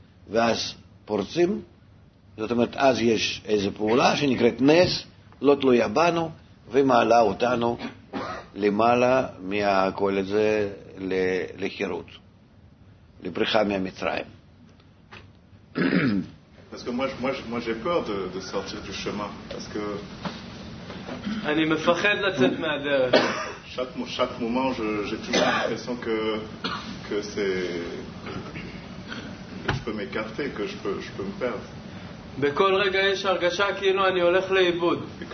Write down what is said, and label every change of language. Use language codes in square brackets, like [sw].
[he] ואז פורצים, זאת אומרת, אז יש איזו פעולה שנקראת נס, לא תלויה בנו, ומעלה אותנו למעלה מהכל הזה לחירות, לבריחה מהמצרים. [fr] parce que moi j'ai peur de sortir du chemin parce que [he] אני מפחד לצאת מהדרך. [fr] chaque moment j'ai toujours l'impression que c'est je peux m'écarter, que je peux me perdre. [he] בכל רגע יש הרגשה כאילו אני הולך לאיבוד.